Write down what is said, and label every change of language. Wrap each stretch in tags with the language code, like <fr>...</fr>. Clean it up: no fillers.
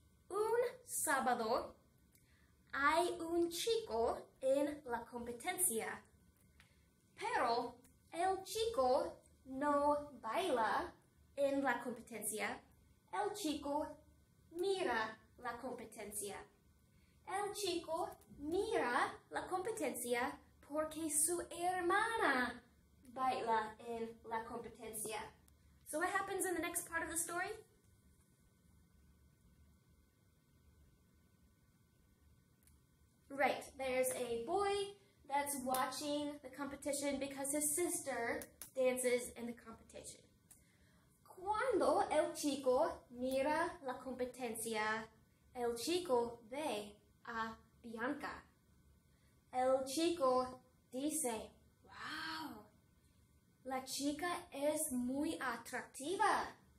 <es>Un sábado hay un chico en la competencia, pero el chico no baila en en la competencia. El chico mira la competencia. El chico mira la competencia porque su hermana baila en la competencia.</es> <en>So what happens in the next part of the story? Right, there's a boy that's watching the competition because his sister dances in the competition.</en> <es>Cuando el chico mira la competencia, el chico ve a Bianca. El chico dice, wow, la chica es muy atractiva.</es>